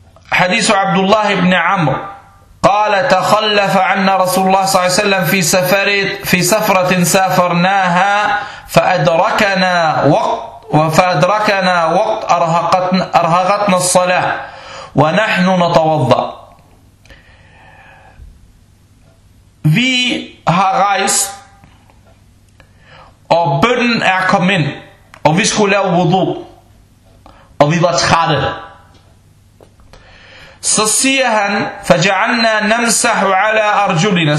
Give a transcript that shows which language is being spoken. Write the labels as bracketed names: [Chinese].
[Arabic] حديث عبد الله بن عمرو قال تخلف عنا رسول الله صلى الله عليه وسلم في سفرة سافرناها فأدركنا وقت أرهقتنا الصلاة ونحن نتوضأ. [Danish] Vi har rejst, og bønnen er kommet ind, og vi skulle lave wudu, og vi var trætte. Så siger han, [Arabic] فَجَعَلْنَا نَمْسَحُ عَلَىٰ أَرْجُلِنَا.